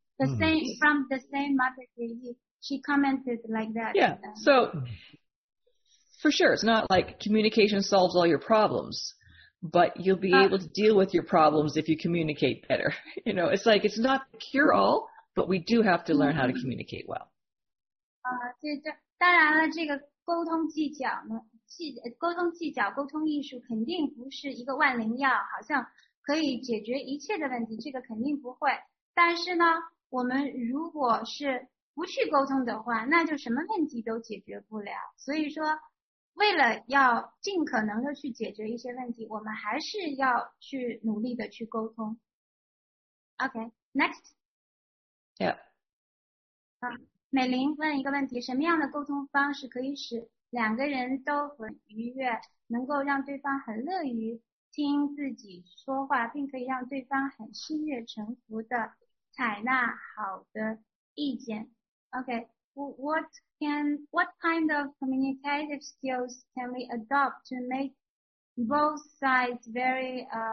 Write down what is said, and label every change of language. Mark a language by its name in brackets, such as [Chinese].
[English] The same from the same mother. She commented like that. Yeah. So for sure, it's not like communication solves all your problems, but you'll be able to deal with your problems if you communicate better. You know, it's like it's not the cure all, but we do have to learn how to communicate well. [Chinese] 当然了，这个沟通技巧呢。沟通技巧沟通艺术肯定不是一个万灵药好像可以解决一切的问题这个肯定不会但是呢我们如果是不去沟通的话那就什么问题都解决不了所以说为了要尽可能的去解决一些问题我们还是要去努力的去沟通 [English] OK next yeah [Chinese] 美玲问一个问题什么样的沟通方式可以使两个人都很愉悦能够让对方很乐于听自己说话并可以让对方很心悦诚服的采纳好的意见 [English] OK What kind of communicative skills can we adopt to make both sides very